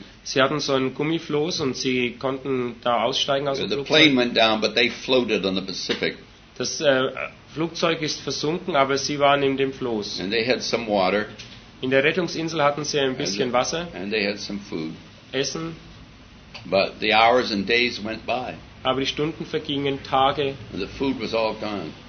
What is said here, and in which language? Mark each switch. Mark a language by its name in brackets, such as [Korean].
[German] Sie hatten so einen Gummifloß und sie konnten da aussteigen aus dem Flugzeug. [English] The plane went down, but they floated on the Pacific. [German] Das Flugzeug ist versunken, aber sie waren in dem Floß. [English] And they had some water. [German] In der Rettungsinsel hatten sie ein bisschen Wasser. [English] And they had some food. [German] Essen. [English] But the hours and days went by. [German] Aber die Stunden vergingen, Tage. [English] And the food was all gone.